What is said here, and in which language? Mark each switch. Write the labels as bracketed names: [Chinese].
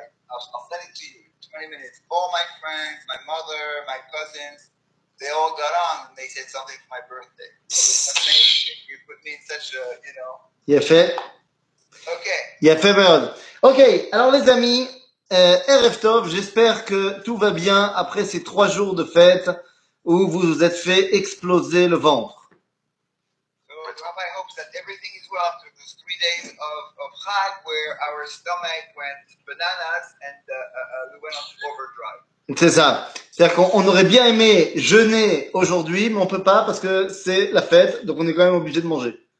[English] I'll send it to you in 20 minutes. All my friends, my mother, my cousins, they all got on and they said something for my birthday. It was amazing. You put me in such a, you know. Yeah, fair. Okay. Yeah, fair. [French] Ok, alors les amis, RF Tov, j'espère que tout va bien après ces 3 jours de fête où vous vous êtes fait exploser le ventre. [English] So, Rabbi hopes that everything is well after those 3 days of Chag where our stomach went bananas and we went on overdrive. [French] C'est ça. C'est-à-dire qu'on aurait bien aimé jeûner aujourd'hui, mais on ne peut pas parce que c'est la fête, donc on est quand même obligé de manger.